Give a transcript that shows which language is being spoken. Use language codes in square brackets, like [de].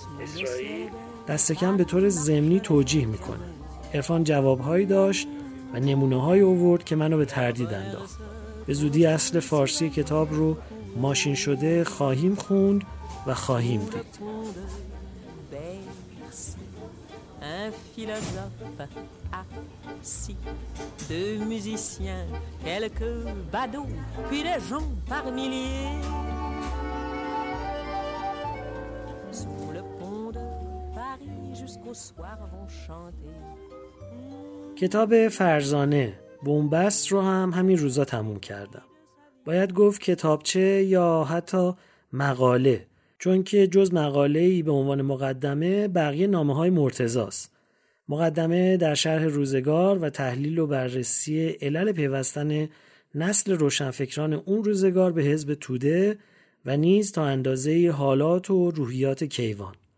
[fa] اسرائیل دست کم به طور ضمنی توجیه میکنه. عرفان جوابهایی داشت و نمونه های آورد که منو به تردید انداخت. به زودی اصل فارسی کتاب رو ماشین شده خواهیم خوند و خواهیم دید. [fr] Un philosophe assis, deux musiciens, quelques badauds, puis des gens par milliers. Sous le pont de Paris, jusqu'au soir vont chanter. [fa] کتاب فرزانه بن‌بست رو هم همین روزا تموم کردم. باید گفت کتابچه یا حتی مقاله، چون که جز مقاله‌ای به عنوان مقدمه بقیه نامه‌های مرتضاست. مقدمه در شرح روزگار و تحلیل و بررسی علل پیوستن نسل روشنفکران اون روزگار به حزب توده و نیز تا اندازه حالات و روحیات کیوان.